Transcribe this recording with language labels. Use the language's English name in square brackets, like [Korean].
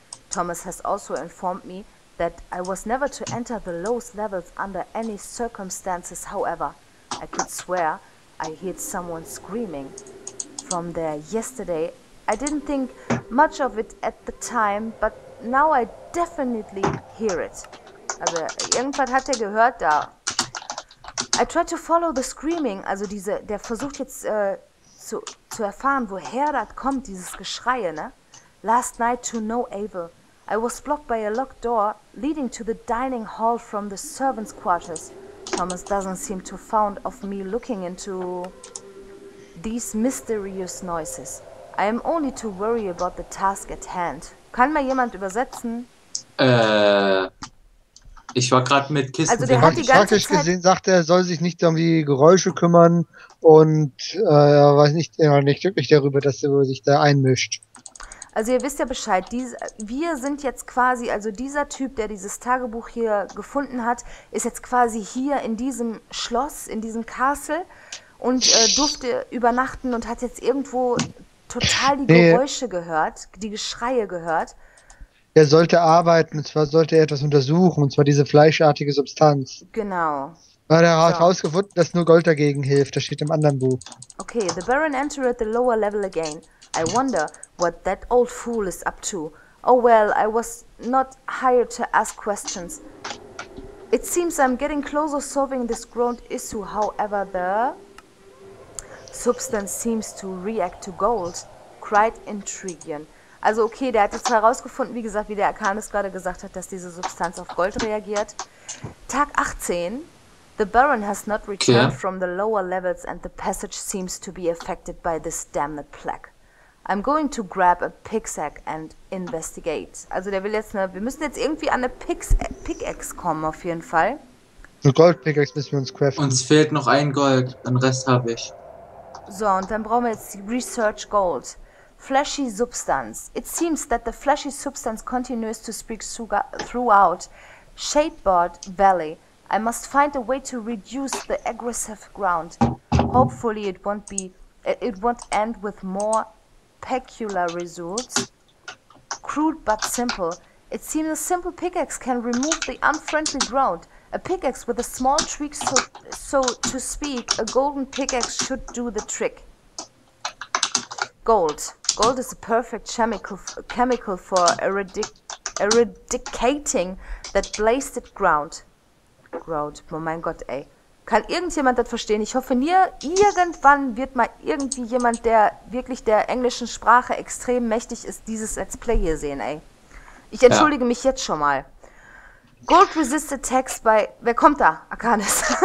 [English] Thomas has also informed me that I was never to enter the lowest levels under any circumstances, however. I could swear I heard someone screaming from there yesterday. I didn't think much of it at the time, but now I definitely hear it. [German] Also, irgendwas hat er gehört da. [English] I tried to follow the screaming. [German] Also, der versucht jetzt zu erfahren, woher das kommt, dieses Geschrei, ne? [English] Last night to no avail. I was blocked by a locked door leading to the dining hall from the servants' quarters. Thomas doesn't seem too fond of me looking into these mysterious noises. I am only to worry about the task at hand. [German] Kann mal jemand übersetzen? Ich war gerade mit Kisten. Also der hat die ganze Zeit gesehen, sagt er, soll sich nicht um die Geräusche kümmern und weiß nicht, nicht wirklich darüber, dass er sich da einmischt. Also ihr wisst ja Bescheid, wir sind jetzt quasi, also dieser Typ, der dieses Tagebuch hier gefunden hat, ist jetzt quasi hier in diesem Schloss, in diesem Castle und durfte übernachten und hat jetzt irgendwo total die Geräusche gehört, die Geschreie gehört. Er sollte arbeiten, und zwar sollte er etwas untersuchen, und zwar diese fleischartige Substanz. Genau. Weil er hat herausgefunden, dass nur Gold dagegen hilft, das steht im anderen Buch. [English] Okay, the Baron entered the lower level again. I wonder what that old fool is up to. Oh well, I was not hired to ask questions. It seems I'm getting closer solving this ground issue, however the substance seems to react to gold. Quite intriguing. [German] Also okay, der hat jetzt herausgefunden, wie gesagt, wie der Arcanist gerade gesagt hat, dass diese Substanz auf Gold reagiert. Tag 18. [English] The Baron has not returned from the lower levels and the passage seems to be affected by this damned plague. I'm going to grab a pickaxe and investigate. [German] Also der will jetzt ne, wir müssen jetzt irgendwie an eine Pickaxe kommen auf jeden Fall. Eine Goldpickaxe müssen wir uns craften. Uns fehlt noch ein Gold, den Rest habe ich. So, und dann brauchen wir jetzt Research Gold. [English] Fleshy Substance. It seems that the fleshy substance continues to speak throughout Shadeboard Valley. I must find a way to reduce the aggressive ground. Hopefully it won't end with more peculiar results. Crude but simple. It seems a simple pickaxe can remove the unfriendly ground. A pickaxe with a small tweak, so to speak, a golden pickaxe should do the trick. Gold. Gold is a perfect chemical for eradicating that blasted ground. [German] Ground. Oh mein Gott, ey. Kann irgendjemand das verstehen? Ich hoffe, irgendwann wird mal irgendwie jemand, der wirklich der englischen Sprache extrem mächtig ist, dieses Let's Play hier sehen, ey. Ich entschuldige mich jetzt schon mal. Gold Resisted Text bei... Wer kommt da? Arcanis.